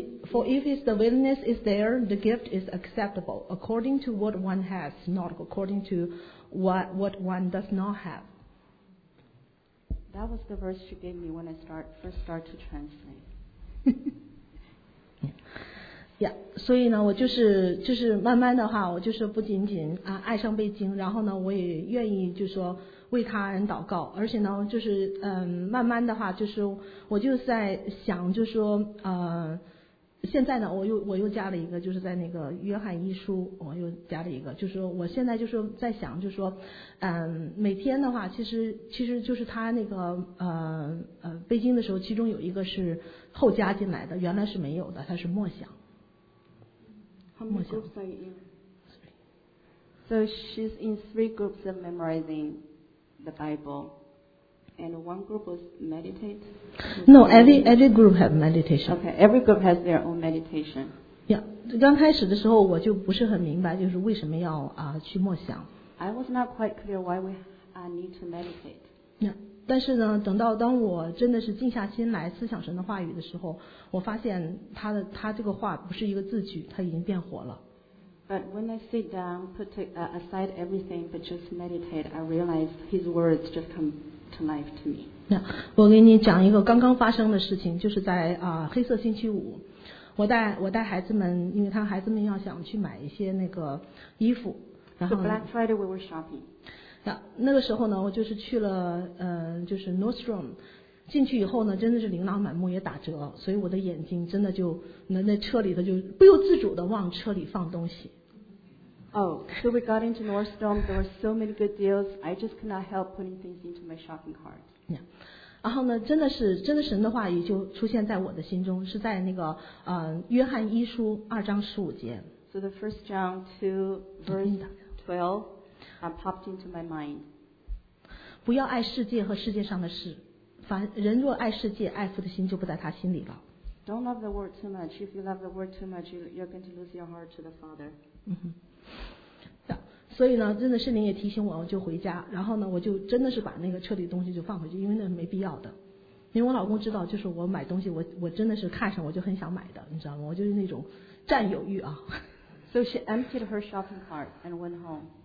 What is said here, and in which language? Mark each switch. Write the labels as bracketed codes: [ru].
[en] For if is the willingness is there, the gift is acceptable according to what one has, not according to what one does not have. That was the verse she gave me when I first start to translate. [zh] Yeah, 所以呢，我就是慢慢的话，我就是不仅仅爱上背经，然后呢，我也愿意就说为他人祷告，而且呢，就是慢慢的话，就是我就在想，就说现在呢，我又加了一个，就是在那个约翰一书，我又加了一个，就是我现在就是在想，就是说每天的话，其实就是他那个背经的时候，其中有一个是后加进来的，原来是没有的，他是默想。 [en] How many groups are you in? So she's in three groups of memorizing the Bible. And one group was meditate? No, every group has meditation. Okay, every group has their own meditation. [zh] Yeah, 刚开始的时候我就不是很明白就是为什么要去默想。 [en] I was not quite clear why we need to meditate. Yeah. [zh] 但是呢，等到当我真的是静下心来思想神的话语的时候，我发现他这个话不是一个字句，他已经变活了。 [en] But when I sit down, put aside everything but just meditate, I realize His words just come to life to me. [zh] 那我给你讲一个刚刚发生的事情，就是在黑色星期五，我带孩子们，因为他孩子们要想去买一些那个衣服，然后。 [en] So Black Friday we were shopping. [zh] 那个时候呢，我就是去了，就是 Nordstrom， 进去以后呢，真的是琳琅满目，也打折，所以我的眼睛真的就那车里头就不由自主的往车里放东西。 [en] Oh, so we got into Nordstrom. There were so many good deals. I just could not help putting things into my shopping cart. Yeah. [zh] 然后呢，真的神的话语就出现在我的心中，是在那个约翰一书二章十五节。 [en] So the first John 2 verse 12. Popped into my mind. [zh] 不要爱世界和世界上的事，凡人若爱世界，爱父的心就不在他心里了。 [en] Don't love the world too much. If you love the world too much, you're going to lose your heart to the Father. [zh] 所以呢，真的圣灵也提醒我，我就回家，然后呢，我就真的是把那个车里的东西就放回去，因为那没必要的。因为我老公知道，就是我买东西，我真的是看上我就很想买的，你知道吗？我就是那种占有欲啊。 [en] So she emptied her shopping cart and went home.